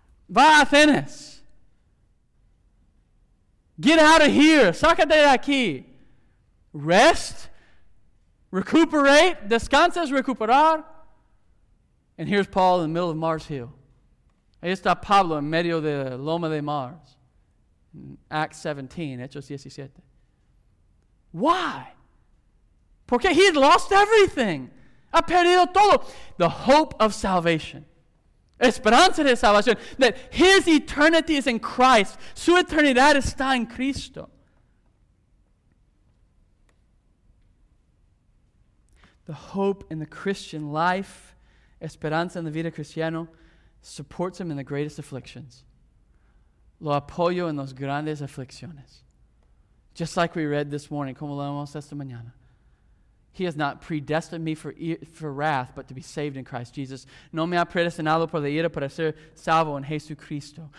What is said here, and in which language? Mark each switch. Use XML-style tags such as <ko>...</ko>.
<es>Va a Athens.</es> <en>Get out of here. Sácate de aquí. Rest. Recuperate. Descanses. Recuperar. And here's Paul in the middle of Mars Hill.</en> <es>Ahí está Pablo en medio de Loma de Mars.</es> <en>Acts 17, Hechos 17. Why? Porque he had lost everything. Ha perdido todo. The hope of salvation. Esperanza de salvación. That his eternity is in Christ.</en> <es>Su eternidad está en Cristo.</es> <en>The hope in the Christian life. Esperanza en la vida cristiana supports him in the greatest afflictions.</en> <es>Lo apoyo en las grandes aflicciones. Just like we read this morning, como leemos esta mañana.</es> <en>He has not predestined me for wrath, but to be saved in Christ Jesus.</en> <es>No me ha predestinado por la ira para ser salvo en Jesucristo.</es>